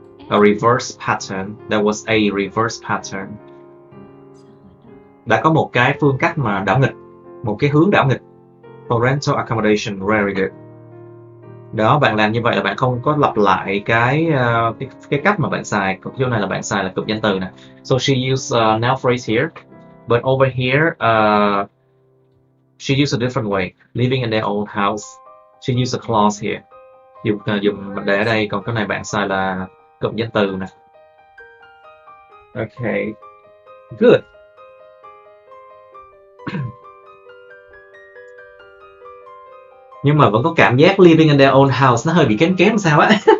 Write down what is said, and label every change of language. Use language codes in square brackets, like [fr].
[en] A reverse pattern. There was a reverse pattern. [vi] Đã có một cái phương cách mà đảo nghịch. Một cái hướng đảo nghịch. [en] For rental accommodation, very good. [vi] Đó, bạn làm như vậy là bạn không có lặp lại cái cách mà bạn xài. Cụm chỗ này là bạn xài là cụm danh từ nè. [en] So she use now phrase here, but over here, she use a different way, living in their own house. She use a clause here. [vi] Dùng dùng để ở đây, còn cái này bạn xài là cụm danh từ nè. [en] Okay, good. [vi] Nhưng mà vẫn có cảm giác [en] living in their own house [vi] nó hơi bị kém kém sao á.